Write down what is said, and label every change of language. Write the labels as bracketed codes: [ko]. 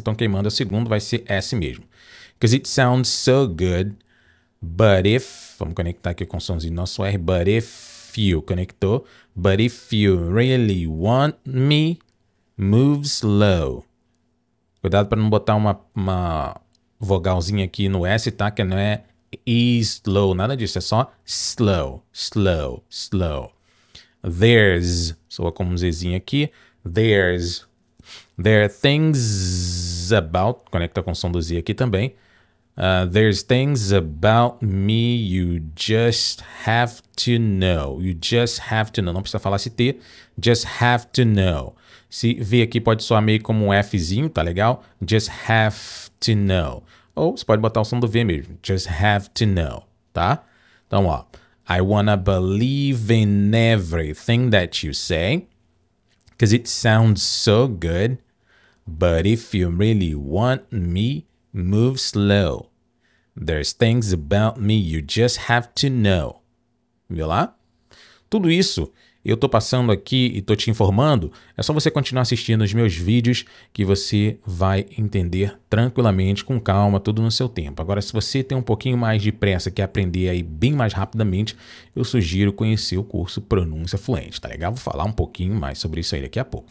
[pt] Então, quem manda é o segundo, vai ser S mesmo. [en] Because it sounds so good, but if... [pt] Vamos conectar aqui com o somzinho do nosso R. [en] But if you... [pt] Conectou. [en] But if you really want me, move slow. [pt] Cuidado para não botar uma vogalzinha aqui no S, tá? Que não é E slow, nada disso. É só slow, slow, slow. [en] There's, [pt] soa como um Zzinho aqui, [en] there's, there are things about, [pt] conecta com o som do Z aqui também, [en] there's things about me you just have to know, you just have to know, [pt] não precisa falar esse T, [en] just have to know, [pt] se V aqui pode soar meio como um Fzinho, tá legal, [en] just have to know, [pt] ou você pode botar o som do V mesmo, [en] just have to know, [pt] tá, então ó, [en] I wanna believe in everything that you say, because it sounds so good, but if you really want me, move slow. There's things about me you just have to know. [pt] Viu lá? Tudo isso eu tô passando aqui e tô te informando, é só você continuar assistindo os meus vídeos que você vai entender tranquilamente, com calma, tudo no seu tempo. Agora, se você tem um pouquinho mais de pressa, quer aprender aí bem mais rapidamente, eu sugiro conhecer o curso Pronúncia Fluente, tá legal? Vou falar um pouquinho mais sobre isso aí daqui a pouco.